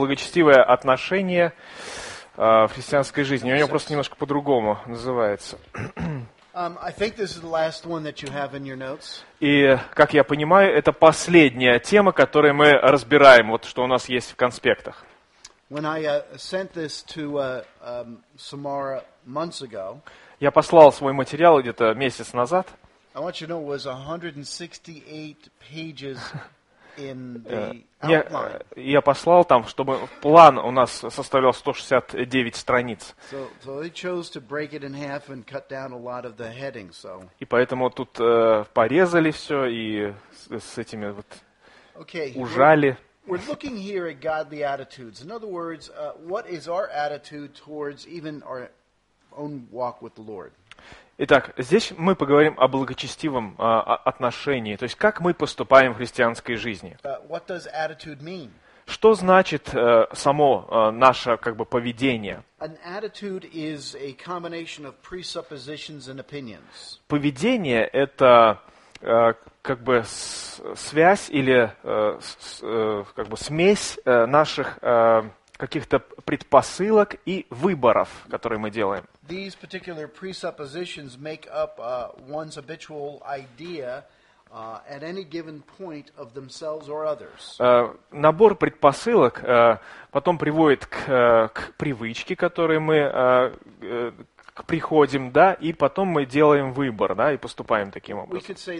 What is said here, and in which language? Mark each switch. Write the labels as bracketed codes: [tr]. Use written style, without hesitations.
[ru] Благочестивое отношение в христианской жизни. У него просто немножко по-другому называется. [en] I think this is the last one that you have in your notes. [ru] И, как я понимаю, это последняя тема, которую мы разбираем, вот что у нас есть в конспектах. [en] When I sent this to Samara months ago. [ru] Я послал свой материал где-то месяц назад. [en] I want you to know it was 168 pages in the outline. [ru] Я послал там, чтобы план у нас составлял 169 страниц. [en] So they chose to break it in half and cut down a lot of the headings. So. [ru] И поэтому тут порезали все и с этими вот [en] okay, [ru] ужали. [en] We're looking here at godly attitudes. In other words, what is our attitude towards even our own walk with the Lord? [ru] Итак, здесь мы поговорим о благочестивом отношении, то есть как мы поступаем в христианской жизни. [en] What does attitude mean? [ru] Что значит само наше как бы поведение? [en] An attitude is a combination of presuppositions and opinions. [ru] Поведение – это как бы связь или как бы смесь наших каких-то предпосылок и выборов, которые мы делаем. [en] These particular presuppositions make up one's habitual idea at any given point of themselves or others. [ru] Набор предпосылок потом приводит к привычке, которой мы приходим, да, и потом мы делаем выбор, да, и поступаем таким образом.